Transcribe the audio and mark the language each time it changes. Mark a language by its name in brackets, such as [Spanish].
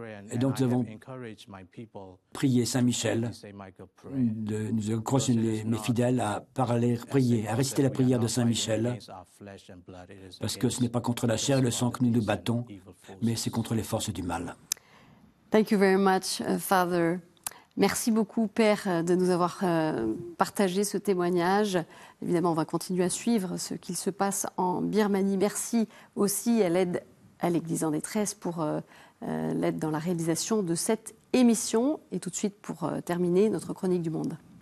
[French] Et donc, nous avons prié Saint-Michel de nous encourager, mes fidèles, à parler, prier, à réciter la prière de Saint-Michel, parce que ce n'est pas contre la chair et le sang que nous battons, mais c'est contre les forces du mal. [English] Thank you very much, Father. [French] Merci beaucoup, Père, de nous avoir partagé ce témoignage. Évidemment, on va continuer à suivre ce qu'il se passe en Birmanie. Merci aussi à l'aide à l'Église en détresse pour l'aide dans la réalisation de cette émission. Et tout de suite, pour terminer, notre chronique du monde.